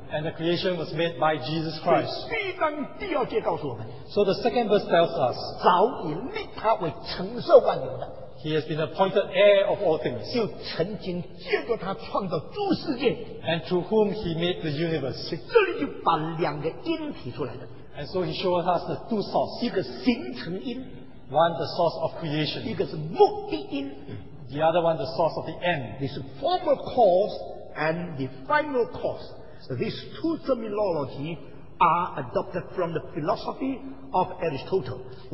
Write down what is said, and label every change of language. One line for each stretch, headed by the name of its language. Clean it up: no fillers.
English: And the creation was made by Jesus Christ.
Chinese: 所以第一章第二节告诉我们,
English: so the second verse tells us,
Chinese: 早已立他为承受万有的。
English: He has been appointed heir of all things.
Chinese: 就曾经借着他创造诸世界,
English: and through whom he made the universe.
Chinese: 这里就把两个因提出来的,
English: and so he showed us the two sources.
Chinese: 一个形成因,
English: one the source of creation.
Chinese: 一个是目的因,
English: the other one the source of the end. This former cause and the final cause. So these two terminology are adopted from the philosophy of Aristotle.